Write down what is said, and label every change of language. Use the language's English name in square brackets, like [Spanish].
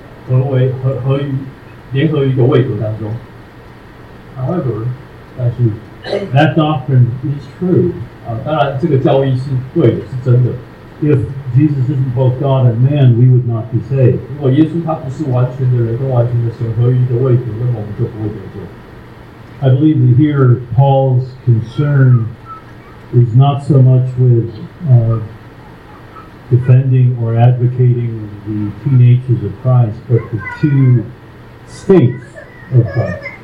[Chinese] 有一些比较古老的注释在注解这节经文的时候会说到这个经文所讲的就是耶稣基督的神性跟人性合为合于 联合于一个位格当中。 [English] However, that doctrine is true. [Chinese] 当然这个教义是对的，是真的。 [English] If Jesus isn't both God and man, we would not be saved. [Chinese] 如果耶稣他不是完全的人跟完全的神合于一个位格，那么我们就不会得救。 [English] I believe that here Paul's concern is not so much with defending or advocating the two natures of Christ, but the two states of God.